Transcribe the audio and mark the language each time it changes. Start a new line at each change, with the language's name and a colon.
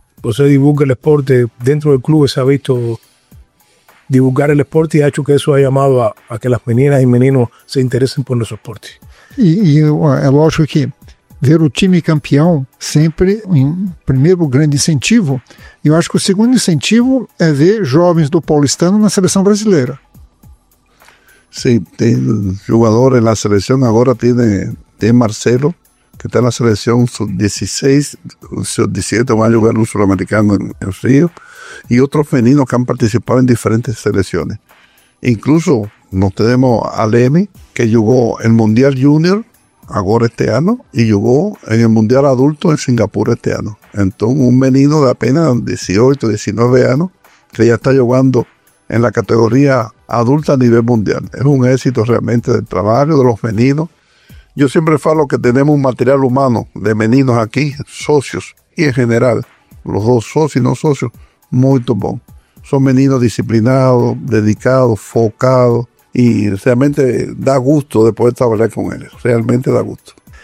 Spanish: Você divulga el esporte dentro del club, se ha visto divulgar el esporte y ha hecho que eso ha llamado a que las meninas y meninos se interesen por nuestro esporte. Y es lógico que ver el time campeón siempre en primer gran incentivo. Yo acho que el segundo incentivo es ver
Portuguese: jovens do Paulistano
Spanish: en la selección brasileira. Sí, tem jugadores en la selección.
Portuguese: Ahora tem Marcelo, que está na seleção sub-16, sub-17, vai jogar no Sul-Americano em Rio, e outros meninos que han participado em diferentes seleções. Incluso, nós temos a Leme, que jogou em Mundial Júnior, agora este ano, e jogou em Mundial Adulto em Singapur este ano. Então, um menino de apenas 18, 19 anos, que já está jogando em la categoria adulta a nível mundial. É um éxito realmente do trabalho dos meninos.
Spanish: Yo siempre falo que tenemos un material humano de meninos aquí, socios, y en general, los dos socios y no socios, muy bon. Son meninos disciplinados, dedicados, focados, y realmente da gusto de poder trabajar con ellos. Realmente da gusto.